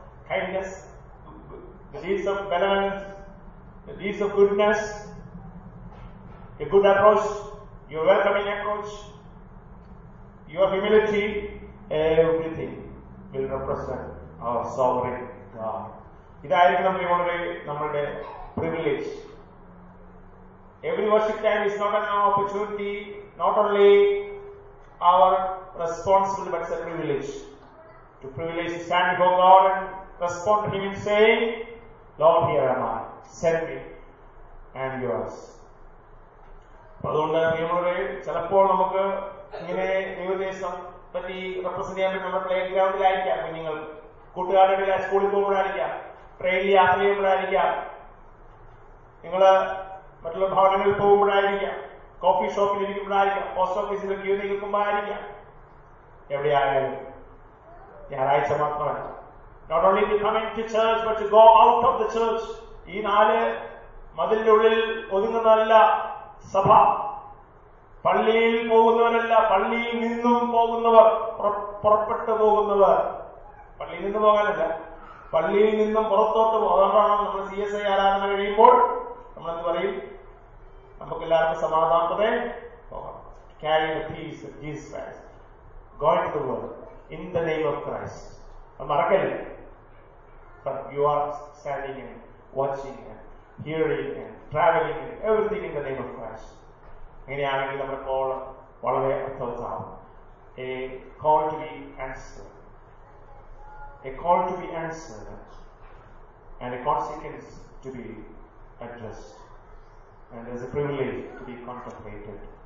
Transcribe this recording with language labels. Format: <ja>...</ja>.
<en>Kindness, the deeds of benevolence, the deeds of goodness, a good approach, your welcoming approach, your humility, everything will represent our sovereign God.</en> <ml>ഇതായിരിക്കണം പ്രിയമുള്ളവരെ നമ്മുടെ privilege.</ml> <en>Every worship time is not an opportunity, not only our responsibility but it's a privilege. To privilege to stand before God and respond to Him in saying, Lord, here am I, send me, and yours.</en> <ml>അതുകൊണ്ട് പ്രിയമുള്ളവരെ, ചിലപ്പോൾ നമുക്ക് ഇങ്ങനെ നിവേദനം പറ്റി represent ചെയ്യാൻ പറ്റുന്ന play ഗ്രൗണ്ടിലായിരിക്കാം കുഞ്ഞുങ്ങൾ കൂട്ടുകാരുടെ സ്കൂളിൽ പോകുമ്പോഴായിരിക്കാം, ട്രെയിനിൽ യാത്ര ചെയ്യുമ്പോഴായിരിക്കാം, നിങ്ങള് മറ്റുള്ള ഭവനങ്ങളിൽ പോകുമ്പോഴായിരിക്കാം, കോഫി ഷോപ്പിൽ ഇരിക്കുമ്പോഴായിരിക്കാം, പോസ്റ്റ് ഓഫീസിൽ ക്യൂ നിൽക്കുമ്പോഴായിരിക്കാം, എവിടെയായാലും ഞായറാഴ്ച മാത്രമല്ല. Not only to come into church, but to go out of the church. ഈ നാല് മതിലിനുള്ളിൽ ഒതുങ്ങുന്നതല്ല സഭ, പള്ളിയിൽ പോകുന്നവരല്ല, പള്ളിയിൽ നിന്നും പോകുന്നവർ, പുറപ്പെട്ടു പോകുന്നവർ. പള്ളിയിൽ നിന്ന് പോകാനല്ല, പള്ളിയിൽ നിന്നും പുറത്തോട്ട് പോകാനാണ്. നമ്മൾ സി എസ് ഐ ആരാധന കഴിയുമ്പോൾ നമ്മളെന്ത് പറയും? നമുക്കെല്ലാവർക്കും സമാധാനത്തെ പോകണം.</ml> <en>Carry the peace of Jesus Christ. Go into the world in the name of Christ.</en> <ml>മറക്കല്ലേ.</ml> <en>But you are standing and watching and hearing and traveling and everything in the name of Christ.</en> <ml>അങ്ങനെയാണെങ്കിൽ നമ്മുടെ call വളരെ അർത്ഥവത്താവും.</ml> <en>A call to be answered, a call to be answered and a consequence to be addressed and there is a privilege to be contributed.</en>